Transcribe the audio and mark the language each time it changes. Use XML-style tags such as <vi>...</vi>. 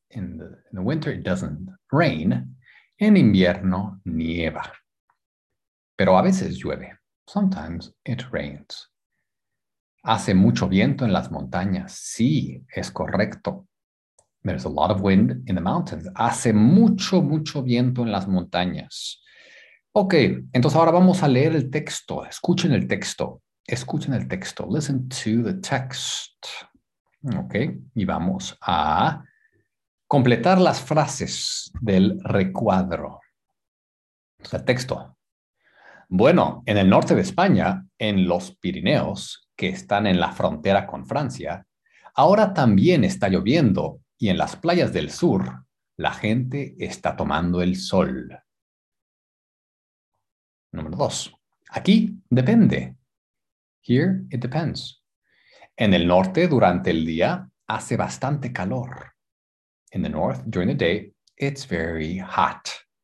<en>In the winter, it doesn't rain.</en> <es>En invierno, nieva. Pero a veces llueve.</es> <en>Sometimes it rains.</en> <es>Hace mucho viento en las montañas. Sí, es correcto.</es> <en>There's a lot of wind in the mountains.</en> <es>Hace mucho, mucho viento en las montañas. Ok, entonces ahora vamos a leer el texto. Escuchen el texto. Escuchen el texto.</es> <en>Listen to the text.</en> <es>Ok, y vamos a completar las frases del recuadro. El texto. Bueno, en el norte de España, en los Pirineos, que están en la frontera con Francia, ahora también está lloviendo. Y en las playas del sur, la gente está tomando el sol. Número dos. Aquí, depende.</es> <en>Here, it depends.</en> <es>En el norte, durante el día, hace bastante calor. In the north, during the day, it's very hot.</es>